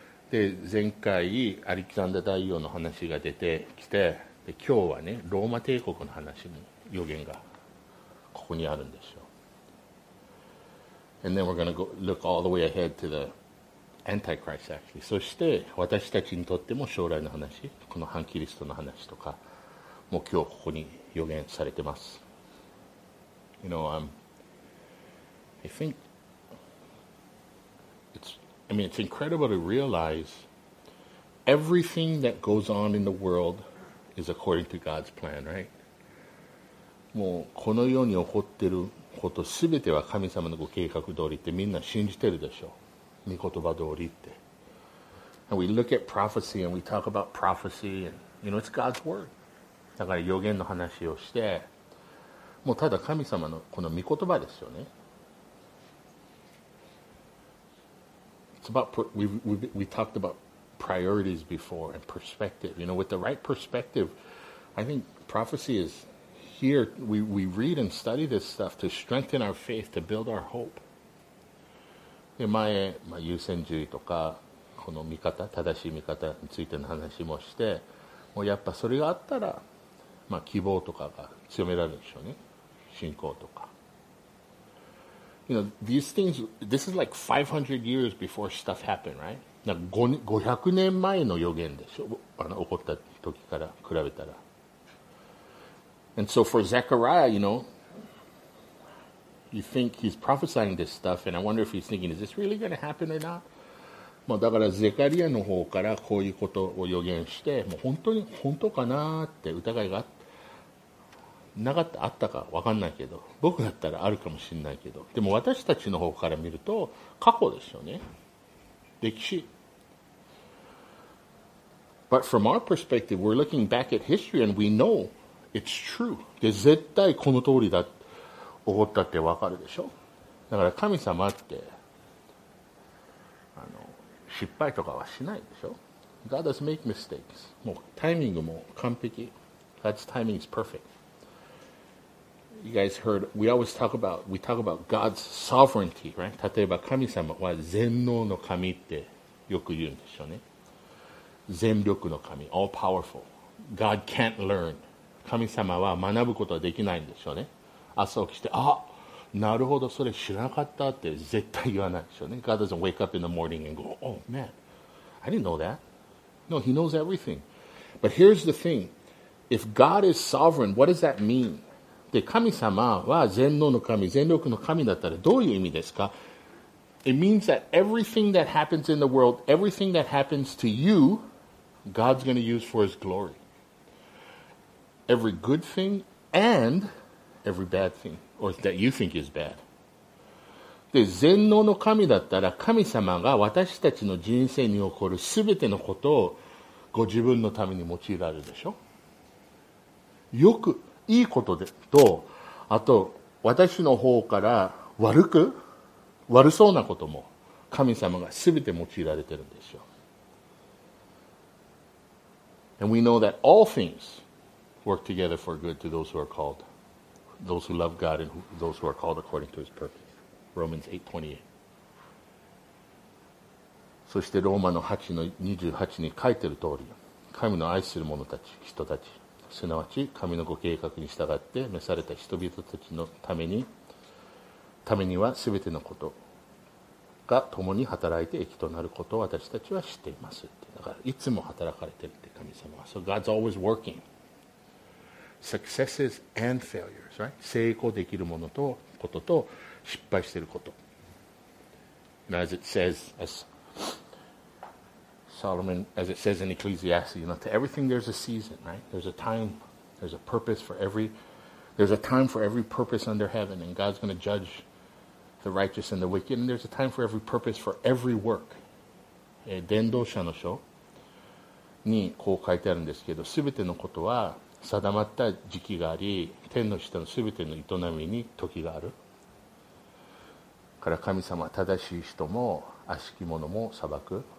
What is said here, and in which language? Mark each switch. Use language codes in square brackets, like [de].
[ja] で、前回アレキサンダー大王の話が出てきて、で、今日はね、ローマ帝国の話も予言がここにあるんですよ。 [en] And then we're going to go look all the way ahead to the Antichrist, actually. [ja] そして私たちにとっても将来の話、この反キリストの話とかも今日ここに予言されてます。 [en] You know, I think it's incredible to realize everything that goes on in the world is according to God's plan, right? [ja] もうこの世に起こってることすべては神様のご計画通りってみんな信じてるでしょ。御言葉通りって。 [en] And we look at prophecy and we talk about prophecy and you know it's God's word. [ja] だから予言の話をして、もうただ神様のこの御言葉ですよね。 [en] It's about we talked about priorities before and perspective. You know, with the right perspective, I think prophecy is here. We read and study this stuff to strengthen our faith, to build our hope. [ja] で前、まあ、優先順位とかこの見方、正しい見方についての話もして、もうやっぱそれがあったら、まあ、希望とかが強められるでしょうね、信仰とか。 [en] You know, these things, this is like 500 years before stuff happened, right? [ja] なんか500年前の予言でしょ、あの起こった時から比べたら。 [en] And so for Zechariah, you know,You think he's prophesying this stuff, and I wonder if he's thinking, is this really going to happen or not? [ja] まあだからゼカリアの方からこういうことを予言して、もう本当かなって疑いがなかったあったか分かんないけど、僕だったらあるかもしれないけど、でも私たちの方から見ると過去ですよね、歴史。 [en] But from our perspective, we're looking back at history, and we know it's true. [ja] で絶対この通りだって。起こったってわかるでしょ。だから神様ってあの失敗とかはしないでしょ。 [en] God does make mistakes. [ja] もうタイミングも完璧。 [en] God's timing is perfect. You guys heard, we talk about God's sovereignty, right? [ja] 例えば神様は全能の神ってよく言うんでしょうね。全力の神、 [en] all powerful. God can't learn. [ja] 神様は学ぶことはできないんでしょうね。朝起きて、あ、なるほど、それ知らなかったって絶対言わないでしょうね。 [en] God doesn't wake up in the morning and go, oh man, I didn't know that. No, he knows everything. But here's the thing. If God is sovereign, what does that mean? [ja] で、神様は全能の神、全力の神だったらどういう意味ですか? [en] It means that everything that happens in the world, everything that happens to you, God's going to use for his glory. Every good thing and... Every bad thing, or that you think is bad. [ja] で、全能の神だったら、神様が私たちの人生に起こるすべてのことをご自分のために用いられるでしょ。よく、いいことでと、あと、私の方から悪そうなことも、神様がすべて用いられてるんでしょ。 [en] And we know that all things work together for good to those who are called. Those who love God and those who are called according to His purpose. Romans 8:28. [ja] そしてローマの8の28に書いてる通り、神の愛する者たち、人たち、すなわち神のご計画に従って召された人々たちのためには全てのことが共に働いて益となることを私たちは知っていますって。だからいつも働かれてるって神様は。 [en] So God's always working. Successes and failures, right? [ja] 成功できるものとことと失敗していること。 [en] And as it says, as Solomon, as it says in Ecclesiastes, you know, to everything there's a season, right? There's a time, there's a purpose for every, there's a time for every purpose under heaven, and God's going to judge the righteous and the wicked, and there's a time for every purpose for every work. [ja] 伝道者の書にこう書いてあるんですけど、すべてのことは定まった時期があり、天の下のすべての営みに時がある。から神様は正しい人も悪しき者も裁く。